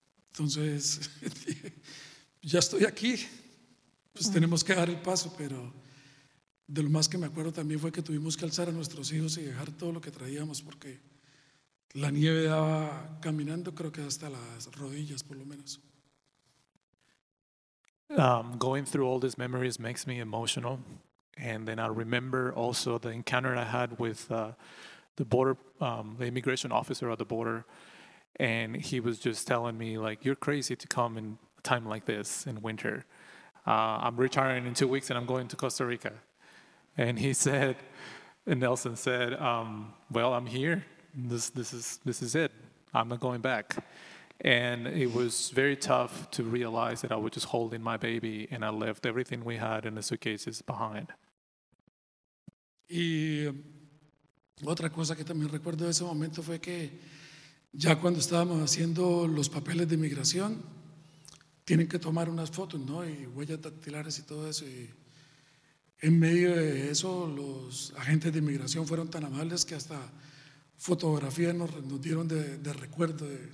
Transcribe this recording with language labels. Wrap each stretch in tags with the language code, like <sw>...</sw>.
<es>Entonces, ya estoy aquí, pues tenemos que dar el paso, pero de lo más que me acuerdo también fue que tuvimos que alzar a nuestros hijos y dejar todo lo que traíamos, porque la nieve daba caminando, creo que hasta las rodillas, por lo menos.</es> <en>Going through all these memories makes me emotional. And then I remember also the encounter I had with the immigration officer at the border. And he was just telling me, like, you're crazy to come in a time like this in winter. I'm retiring in 2 weeks and I'm going to Costa Rica. And he said, and Nelson said, well, I'm here. This is it. I'm not going back. And it was very tough to realize that I was just holding my baby and I left everything we had in the suitcases behind.</en> <es>Y otra cosa que también recuerdo de ese momento fue que ya cuando estábamos haciendo los papeles de inmigración, tienen que tomar unas fotos, ¿no? Y huellas dactilares y todo eso. Y en medio de eso, los agentes de inmigración fueron tan amables que hasta fotografías nos dieron de recuerdo.</es>